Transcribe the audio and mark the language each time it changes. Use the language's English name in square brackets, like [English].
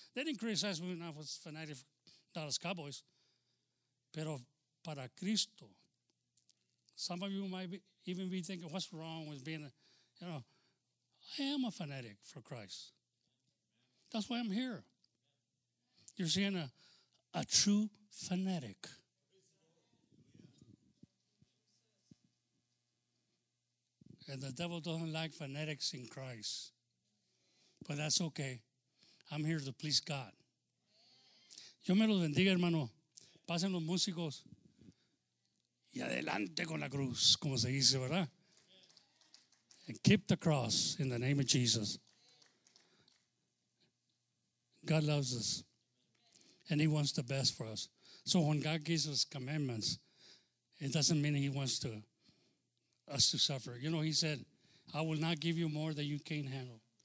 [English] They didn't criticize me when I was a fanatic for Dallas Cowboys. [Spanish] Pero para Cristo, [English] some of you might even be thinking, what's wrong with being, I am a fanatic for Christ. That's why I'm here. You're seeing a true fanatic. And the devil doesn't like fanatics in Christ. But that's okay. I'm here to please God. [Spanish] Yo me los bendiga, hermano. Pasen los músicos. Y adelante con la cruz, como se dice, ¿verdad? [English] And keep the cross in the name of Jesus. God loves us. And he wants the best for us. So when God gives us commandments, it doesn't mean he wants us to suffer. You know, he said, I will not give you more than you can't handle.